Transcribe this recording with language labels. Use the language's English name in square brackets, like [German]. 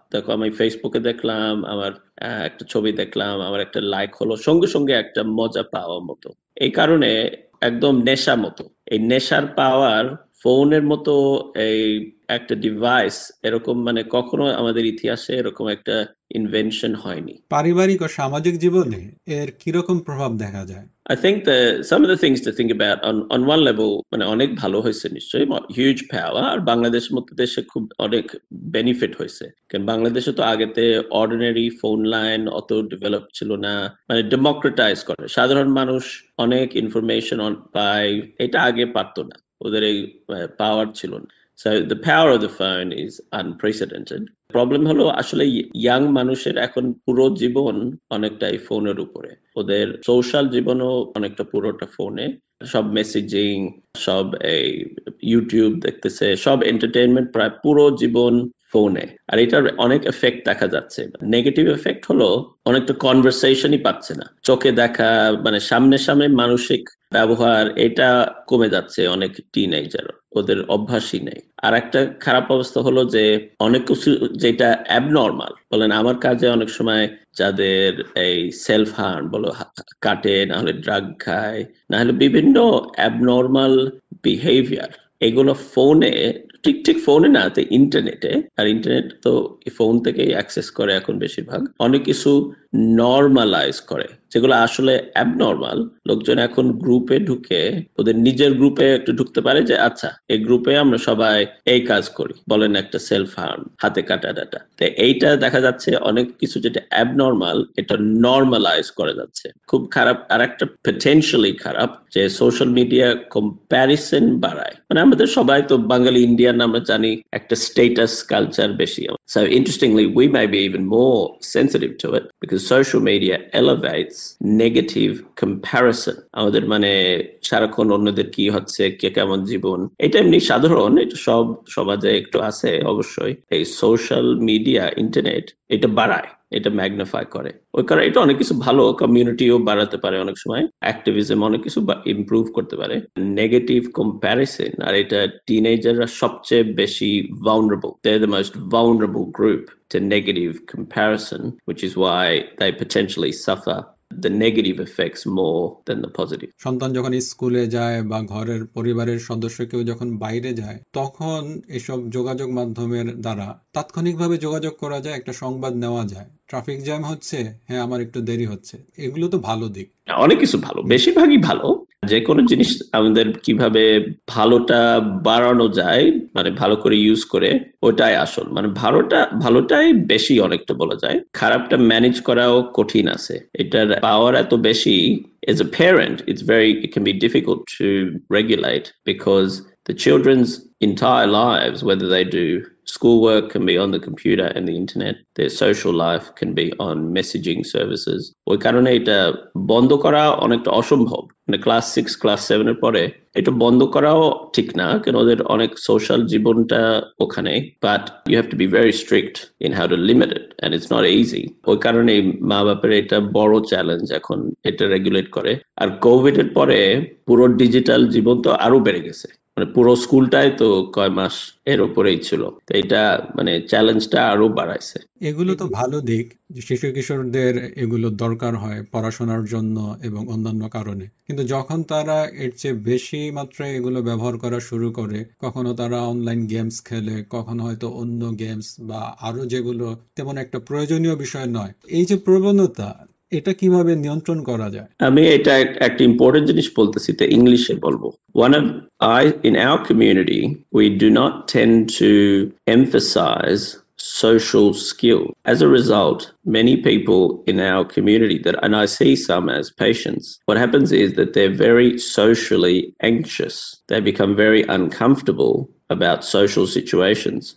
[Bangla] দেখো, আমি ফেসবুকে দেখলাম, আমার একটা ছবি দেখলাম, আমার একটা লাইক হলো, সঙ্গে সঙ্গে একটা মজা পাওয়ার মতো, এই কারণে একদম নেশা মতো। এই নেশার পাওয়ার ফোনের মতো এই একটা ডিভাইস এরকম মানে কখনো আমাদের ইতিহাসে এরকম একটা ইনভেনশন হয়নি। পারিবারিক ও সামাজিক জীবনে এর কি রকম প্রভাব দেখা যায়? [English] I think the some of the things to think about on one level [Bangla] মানে অনেক ভালো হয়েছে নিশ্চয়ই, হিউজ পাওয়ার। আর বাংলাদেশের মতো দেশে খুব অনেক বেনিফিট হয়েছে, কারণ বাংলাদেশে তো আগেতে অর্ডিনারি ফোন লাইন অত ডেভেলপ ছিল না। মানে ডেমোক্রেটাইজ করে, সাধারণ মানুষ অনেক ইনফরমেশন পায়, এটা আগে পারতো না, ওদের এই পাওয়ার ছিল না। [English] So the power of the phone is unprecedented. [Bangla] Problem holo ashole young manusher ekhon puro jibon onekta ei phone er upore, oder social jibono onekta puro ta phone e, sob messaging, sob ei YouTube dekhteche, sob entertainment pray puro jibon phone e. Ar etar onek effect dekha jacche. Negative effect holo onekta conversation i pacche na, choke dekha mane samne samne manushik ব্যবহার এটা কমে যাচ্ছে অনেক teenager, ওদের অভ্যাসই নেই। আর একটা খারাপ অবস্থা হলো যে অনেক কিছু যেটা অ্যাবনর্মাল বলেন, আমার কাজে অনেক সময় যাদের এই সেলফ হার্ম বলো, কাটে না হলে ড্রাগ খায় না হলে বিভিন্ন অ্যাবনর্মাল বিহেভিয়ার, এগুলো ফোনে, ঠিক ঠিক ফোনে না, ইন্টারনেটে, আর ইন্টারনেট তো ফোন থেকেই অ্যাক্সেস করে এখন বেশিরভাগ, অনেক কিছু নর্মালাইজ করে যেগুলো আসলে অ্যাবনর্মাল। লোকজন এখন গ্রুপে ঢুকে, ওদের নিজের গ্রুপে একটু ঢুকতে পারে যে আচ্ছা এই গ্রুপে আমরা সবাই এই কাজ করি, বলেন একটা সেলফ হার্ম, হাতে কাটা ডাটা। তো এইটা দেখা যাচ্ছে অনেক কিছু যেটা অ্যাবনর্মাল এটা নর্মালাইজ করে যাচ্ছে, খুব খারাপ। আর একটা পটেনশিয়ালি খারাপ যে সোশ্যাল মিডিয়া কম্প্যারিসন বাড়ায়, মানে আমাদের সবাই তো বাঙালি ইন্ডিয়ান, আমরা জানি একটা স্টেটাস কালচার বেশি। [English] So interestingly, we may be even more sensitive to it because social media elevates negative comparison. [Bangla] আমাদের মানে সারাক্ষণ অন্যদের কি হচ্ছে, কে কেমন জীবন, এটা এমনি সাধারণ, এটা সব সমাজে একটু আছে অবশ্যই। এই সোশ্যাল মিডিয়া, ইন্টারনেট এটা বাড়ায়, এটা ম্যাগনিফাই করে, ওই কারণে এটা অনেক কিছু ভালো, কমিউনিটিও বাড়াতে পারে অনেক সময়, অ্যাক্টিভিজম অনেক কিছু ইম্প্রুভ করতে পারে, নেগেটিভ কম্প্যারিসন। আর এটা টিনেজাররা সবচেয়ে বেশি vulnerable, [English] They are the most vulnerable group to negative comparison, which is why they potentially suffer the negative effects more than the positive. [Bangla] সন্তান যখন স্কুলে যায় বা ঘরের পরিবারের সদস্য কেউ যখন বাইরে যায়, তখন এসব যোগাযোগ মাধ্যমের দ্বারা তাৎক্ষণিকভাবে যোগাযোগ করা যায়, একটা সংবাদ নেওয়া যায়, ট্রাফিক জ্যাম হচ্ছে, হ্যাঁ আমার একটু দেরি হচ্ছে, এগুলো তো ভালো দিক। অনেক কিছু ভালো, বেশিরভাগই ভালো। যে কোনো জিনিস আমাদের কিভাবে ভালোটা বাড়ানো যায়, মানে ভালো করে ইউজ করে, ওটাই আসল। মানে ভালোটাই বেশি অনেকটা বলা যায়, খারাপটা ম্যানেজ করাও কঠিন আছে। এটার পাওয়ার এত বেশি, [English] as a parent it's very it can be difficult to regulate because the children's entire lives, whether they do schoolwork can be on the computer and the internet, their social life can be on messaging services. [Bangla] ওই কারণে এটা বন্ধ করা অনেকটা অসম্ভব, মানে class six class সেভেনের পরে এটা বন্ধ করাও ঠিক না, কারণ ওদের অনেক সোশ্যাল জীবনটা ওখানে, [English] But you have to be very strict in how to limit it and it's not easy. [Bangla] ওই কারণে মা বাপের এটা বড় চ্যালেঞ্জ এখন এটা রেগুলেট করে। আর কোভিড এর পরে পুরো ডিজিটাল জীবন তো আরো বেড়ে গেছে, মানে পুরো স্কুলটাই তো কয় মাস এর উপরেই ছিল, তো এটা মানে চ্যালেঞ্জটা আরো বাড়াইছে। এগুলো তো ভালো দিক যে শিশু কিশোরদের এগুলো দরকার হয় পড়াশোনার জন্য এবং অন্যান্য কারণে, কিন্তু যখন তারা এর চেয়ে বেশি মাত্রায় এগুলো ব্যবহার করা শুরু করে, কখনো তারা অনলাইন গেমস খেলে, কখনো হয়তো অন্য গেমস বা আরো যেগুলো তেমন একটা প্রয়োজনীয় বিষয় নয়, এই যে প্রবণতা, এটা কিভাবে নিয়ন্ত্রণ করা যায়? আমি এটা একটা ইম্পর্টেন্ট জিনিস বলতেছি, তো ইংলিশে বলবো। [English] In our community, we do not tend to emphasize social skill. As a result, many people in our community, that, and I see some as patients, what happens is that they're very socially anxious. They become very uncomfortable about social situations.